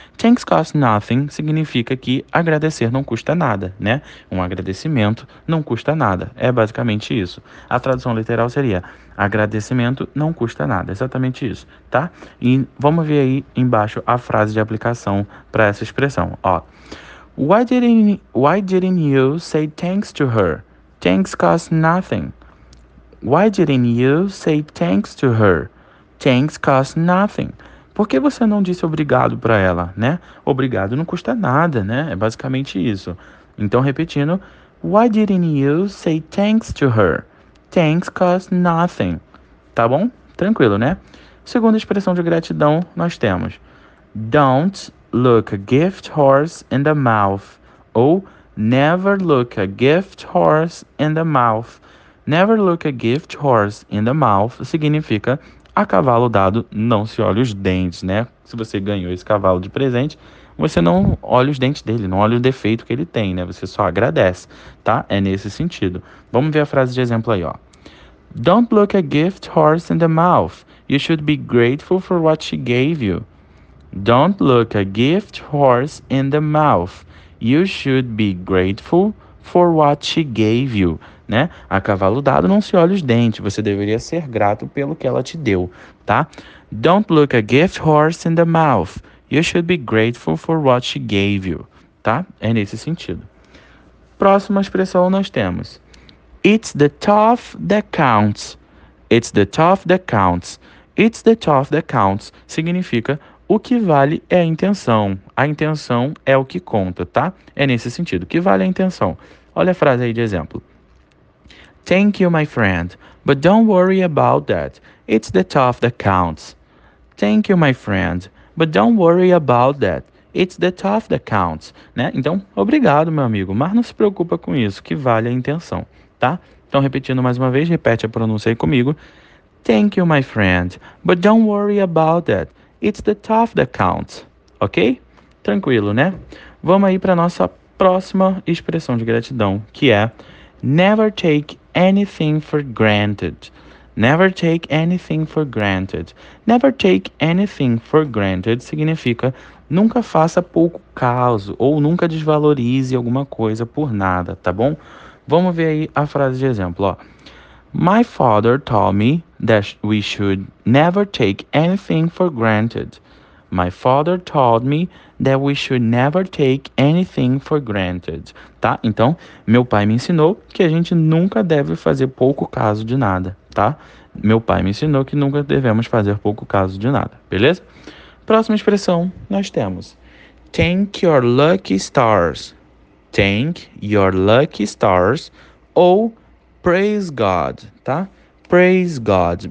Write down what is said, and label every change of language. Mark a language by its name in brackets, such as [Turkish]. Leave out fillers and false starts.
[English] Thanks cost nothing [Portuguese] significa que agradecer não custa nada, né? Um agradecimento não custa nada. É basicamente isso. A tradução literal seria: agradecimento não custa nada. Exatamente isso, tá? E vamos ver aí embaixo a frase de aplicação para essa expressão. [English] Ó, Why didn't you say thanks to her? Thanks cost nothing. Why didn't you say thanks to her? Thanks cost nothing. [Portuguese] Por que você não disse obrigado para ela, né? Obrigado não custa nada, né? É basicamente isso. Então, repetindo, [English] Why didn't you say thanks to her? Thanks cost nothing. [Portuguese] Tá bom? Tranquilo, né? Segunda expressão de gratidão nós temos: [English] Don't look a gift horse in the mouth. Ou never look a gift horse in the mouth. Never look a gift horse in the mouth [Portuguese] significa a cavalo dado não se olha os dentes, né? Se você ganhou esse cavalo de presente, você não olha os dentes dele, não olha o defeito que ele tem, né? Você só agradece, tá? É nesse sentido. Vamos ver a frase de exemplo aí, ó. [English] Don't look a gift horse in the mouth. You should be grateful for what she gave you. Don't look a gift horse in the mouth. You should be grateful for what she gave you. Né? [Portuguese] A cavalo dado não se olha os dentes. Você deveria ser grato pelo que ela te deu, tá? [English] Don't look a gift horse in the mouth. You should be grateful for what she gave you, tá? [Portuguese] É nesse sentido. Próxima expressão nós temos: [English] It's the tough that counts. It's the tough that counts. It's the tough that counts [Portuguese] significa o que vale é a intenção. A intenção é o que conta, tá? É nesse sentido. O que vale é a intenção? Olha a frase aí de exemplo. [English] Thank you, my friend, but don't worry about that. It's the tough that counts. Thank you, my friend, but don't worry about that. It's the tough that counts. Né? [Portuguese] Então, obrigado, meu amigo, mas não se preocupa com isso, que vale a intenção, tá? Então, repetindo mais uma vez, repete a pronúncia aí comigo. [English] Thank you, my friend, but don't worry about that. It's the tough that counts. Ok? Tranquilo, né? [Portuguese] Vamos aí para nossa próxima expressão de gratidão, que é [English] Never take anything for granted. Never take anything for granted. [Portuguese] Never take anything for granted significa nunca faça pouco caso ou nunca desvalorize alguma coisa por nada, tá bom? Vamos ver aí a frase de exemplo, ó. [English] My father told me that we should never take anything for granted. My father told me that we should never take anything for granted. Tá? [Portuguese] Então, meu pai me ensinou que a gente nunca deve fazer pouco caso de nada, tá? Meu pai me ensinou que nunca devemos fazer pouco caso de nada, beleza? Próxima expressão, nós temos [English] thank your lucky stars. Thank your lucky stars ou praise God, tá? Praise God.